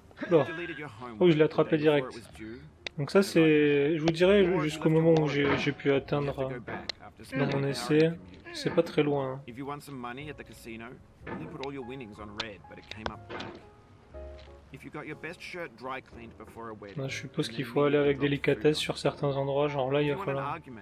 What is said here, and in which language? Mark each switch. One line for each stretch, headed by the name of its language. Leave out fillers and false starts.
French: Oula. Oh, je l'ai attrapé direct. Donc ça, c'est, je vous dirais, jusqu'au moment où j'ai pu atteindre dans mon essai. C'est pas très loin.
English: You put all your winnings on red, but it came up black. If you got your best shirt dry cleaned before a wedding,
French: je suppose qu'il faut aller avec délicatesse sur certains endroits, genre là, il va falloir.